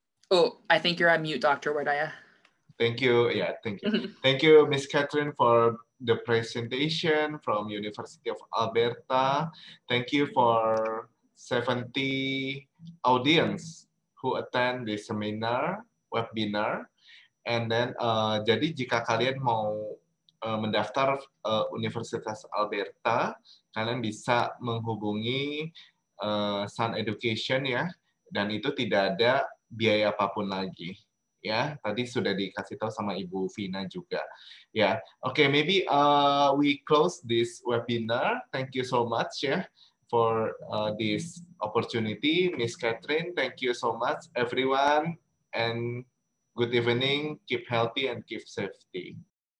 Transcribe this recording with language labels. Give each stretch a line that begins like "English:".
English: Oh, I think you're on mute, Dr. Wardaya. Thank you. Yeah, thank you. Thank you, Ms. Katherine, for the presentation from University of Alberta. Thank you for 70 audience who attend this seminar, webinar. And then,
Indonesian: jadi jika kalian mau mendaftar Universitas Alberta, kalian bisa menghubungi Sun Education ya, dan itu tidak ada biaya apapun lagi. Ya, tadi sudah dikasih tahu sama Ibu Vina juga.
English: Ya, okay, maybe we close this webinar. Thank you so much ya for this opportunity, Miss Katherine. Thank you so much, everyone, and good evening. Keep healthy and keep safety.